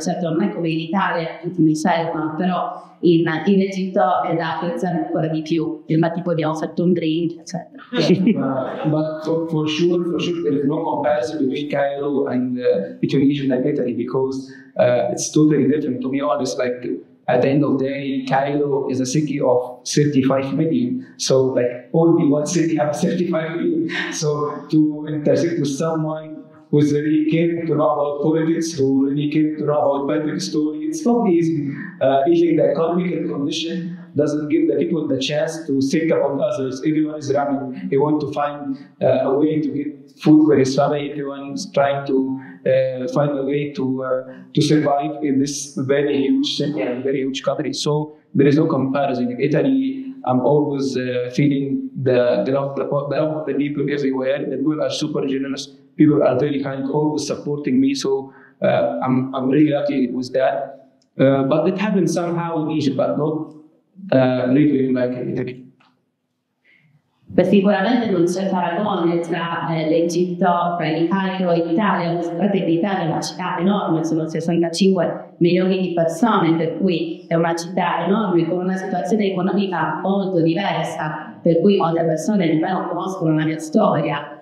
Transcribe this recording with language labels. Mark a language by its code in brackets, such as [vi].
[it] Certo, non è come in Italia, tutti mi servono, però in Egitto è da apprezzare ancora di più. Ma tipo abbiamo fatto un drink, eccetera. [en] Yeah, but for sure there is no comparison between Cairo and between Egypt and Italy, because it's totally different. To be honest, like at the end of the day, Cairo is a city of 35 million. So like only one city has 35 million. So to intersect with someone who really came to know about politics, who really came to know about Patrick's story, it's not easy. Even the economic condition doesn't give the people the chance to think about others. Everyone is running. They want to find a way to get food for his family. Everyone is trying to find a way to survive in this very huge city and very huge country. So there is no comparison. In Italy, I'm always feeling the love of the people everywhere. The people are super generous. People are very kind, always supporting me. So I'm really lucky with that. But it happened somehow in Egypt, but not really like in Italy. [it] Beh, sicuramente non c'è paragone tra l'Egitto, tra il Cairo e l'Italia. Sapete, l'Italia è una città enorme, sono 65 milioni di persone, per cui è una città enorme con una situazione economica molto diversa, per cui molte persone nemmeno conoscono la mia storia.